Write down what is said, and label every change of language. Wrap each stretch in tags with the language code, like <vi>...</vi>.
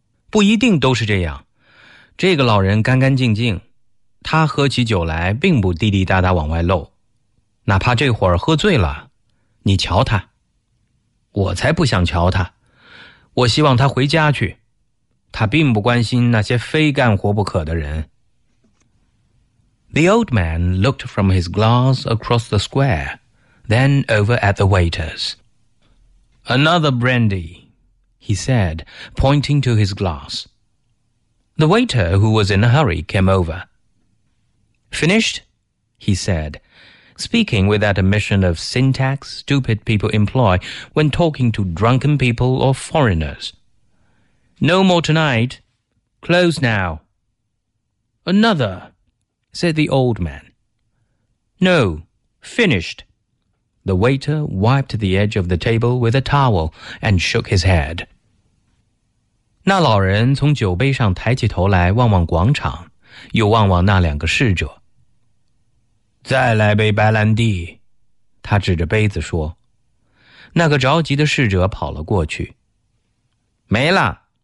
<zh>不一定都是这样，这个老人干干净净，他喝起酒来并不滴滴答答往外漏，哪怕这会儿喝醉了，你瞧他。我才不想瞧他，我希望他回家去。他并不关心那些非干活不可的人。</zh> <en>The old man looked from his glass across the square, then over at the waiters. Another brandy, he said, pointing to his glass. The waiter, who was in a hurry, came over. Finished? He said, speaking with that admission of syntax stupid people employ when talking to drunken people or foreigners. No more tonight. Close now. Another, said the old man. No, finished. The waiter wiped the edge of the table with a towel and shook his head.</en> <zh>那老人从酒杯上抬起头来望望广场，又望望那两个侍者。再来杯白兰地，他指着杯子说。那个着急的侍者跑了过去。没了，</zh>